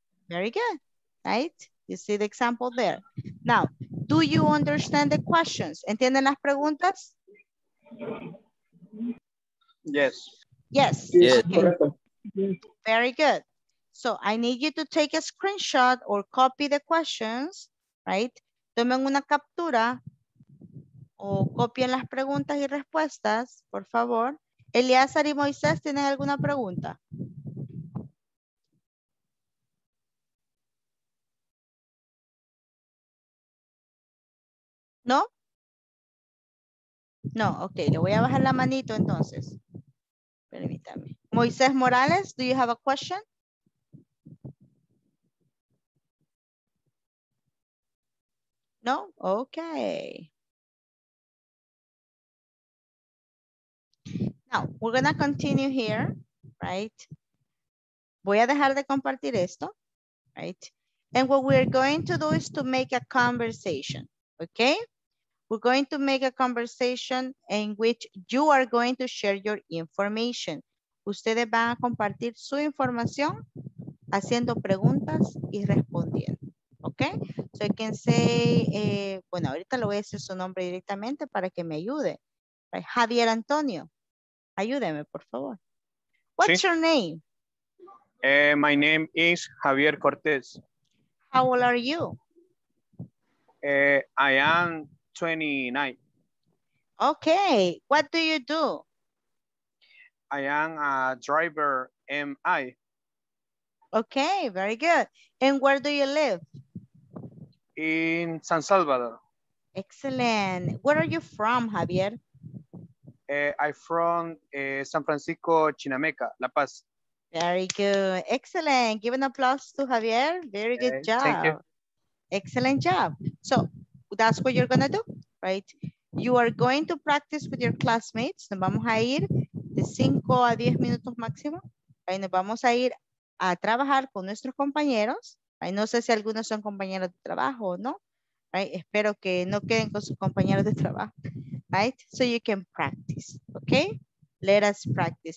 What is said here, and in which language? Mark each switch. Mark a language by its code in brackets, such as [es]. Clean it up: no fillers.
[en] Very good, right? You see the example there. Now, do you understand the questions? [es] ¿Entienden las preguntas? [en] Yes. Yes. Yes. Okay. Very good. So I need you to take a screenshot or copy the questions, right? [es] Tomen una captura o copien las preguntas y respuestas, por favor. Eleazar y Moisés, ¿tienen alguna pregunta? ¿No? No, ok, le voy a bajar la manito entonces. Permítame. [en] Moisés Morales, do you have a question? No? Okay. Now, we're gonna continue here, right? [es] Voy a dejar de compartir esto, [en] right? And what we're going to do is to make a conversation, okay? We're going to make a conversation in which you are going to share your information. [es] Ustedes van a compartir su información haciendo preguntas y respondiendo, okay? [en] So I can say, [es] bueno, ahorita le voy a decir su nombre directamente para que me ayude. [en] Right? Javier Antonio, [es] ayúdeme, por favor. [en] What's your name? My name is Javier Cortez. How old are you? I am 29. Okay, what do you do? I am a driver, am I? Okay, very good. And where do you live? In San Salvador. Excellent. Where are you from, Javier? I'm from San Francisco, Chinameca, La Paz. Very good. Excellent. Give an applause to Javier. Very good job. Thank you. Excellent job. So that's what you're going to do, right? You are going to practice with your classmates. [es] Nos vamos a ir de 5 a 10 minutos máximo. Ahí nos vamos a ir a trabajar con nuestros compañeros. Ay, no sé si algunos son compañeros de trabajo o no. Right? Espero que no queden con sus compañeros de trabajo. [en] Right? So you can practice. Okay? Let us practice.